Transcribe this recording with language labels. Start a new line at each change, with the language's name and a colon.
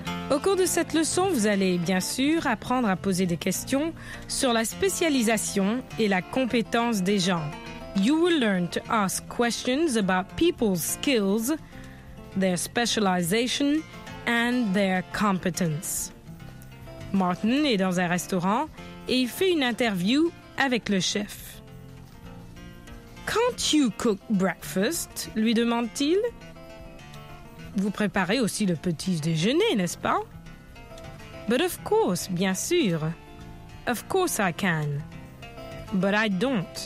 French: Au cours de cette leçon, vous allez bien sûr apprendre à poser des questions sur la spécialisation et la compétence des gens.
English: You will learn to ask questions about people's skills, their specialization and their competence.
French: Martin est dans un restaurant et il fait une interview avec le chef.
English: Can't you cook breakfast?
French: Lui demande-t-il. Vous préparez aussi le petit déjeuner, n'est-ce pas?
English: But of course,
French: bien sûr.
English: Of course I can. But I don't.